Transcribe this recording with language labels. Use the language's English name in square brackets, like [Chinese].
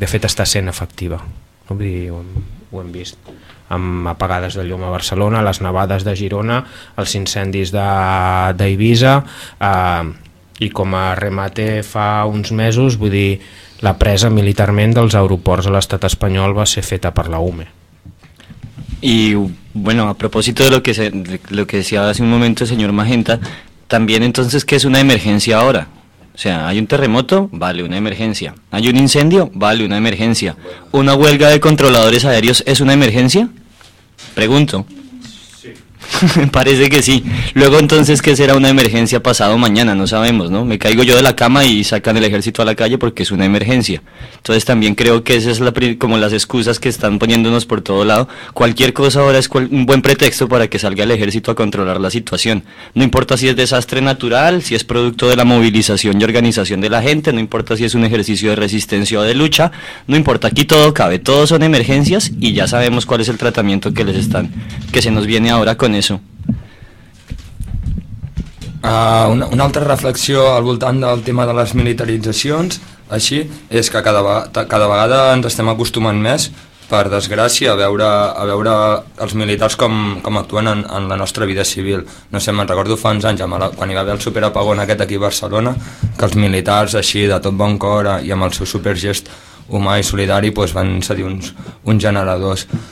[Catalan] De fet, està sent efectiva. Vull dir, ho hem vist amb apagades de llum a Barcelona, les nevades de Girona, els incendis d'Eivissa, i com a remate fa uns mesos, vull dir, la presa militarment dels aeroports a l'estat espanyol va ser feta per la UME. [Spanish] Y bueno, a propósito de lo que decía hace un momento el señor Magenta, también entonces, ¿qué es una emergencia ahora? O sea, hay un terremoto, vale, una emergencia. Hay un incendio, vale, una emergencia. ¿Una huelga de controladores aéreos es una emergencia? Pregunto. Sí. Parece que sí. Luego entonces, ¿qué será una emergencia pasado mañana? No sabemos, ¿no? Me caigo yo de la cama y sacan el ejército a la calle porque es una emergencia. Entonces también creo que esa es como las excusas que están poniéndonos por todo lado. Cualquier cosa ahora es un buen pretexto para que salga el ejército a controlar la situación. No importa si es desastre natural, si es producto de la movilización y organización de la gente, no importa si es un ejercicio de resistencia o de lucha, no importa, aquí todo cabe, todos son emergencias, y ya sabemos cuál es el tratamiento que les están, que se nos viene ahora con eso. [Catalan] Una altra reflexió al voltant del tema de les militaritzacions, així, és que cada vegada ens estem acostumant més, per desgràcia, a veure els militars com actuen en la nostra vida civil. No sé, me'n recordo fa uns anys, quan hi va haver el superapagón aquest aquí a Barcelona, que els militars així, de tot bon cor i amb el seu supergest humà i solidari, doncs van cedir uns generadors.